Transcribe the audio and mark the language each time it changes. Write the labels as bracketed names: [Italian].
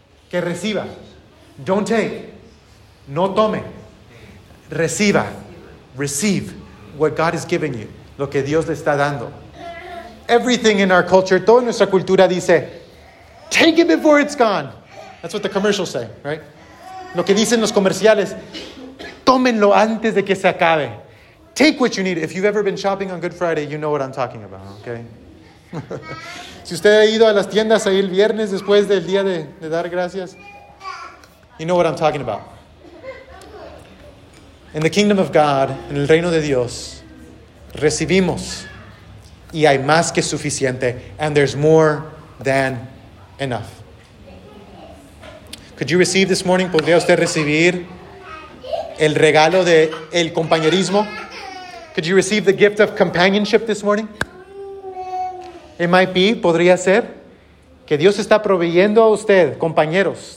[Spanish] que reciba. [English] Don't take. [Spanish] No tome. Reciba. [English] Receive what God has given you. [Spanish] Lo que Dios le está dando. [English] Everything in our culture, [Spanish] toda nuestra cultura dice, [English] take it before it's gone. That's what the commercials say, right? [Spanish] Lo que dicen los comerciales, tómenlo antes de que se acabe. [English] Take what you need. If you've ever been shopping on Good Friday, you know what I'm talking about, okay? [Spanish] Si usted ha ido a las tiendas ahí el viernes después del día de dar gracias, [English] you know what I'm talking about. In the kingdom of God, [Spanish] en el reino de Dios, recibimos y hay más que suficiente, [English] and there's more than enough. Could you receive this morning? [Spanish] ¿Podría usted recibir el regalo de el compañerismo? [English] Could you receive the gift of companionship this morning? It might be, [Spanish] podría ser, que Dios está proveyendo a usted, compañeros,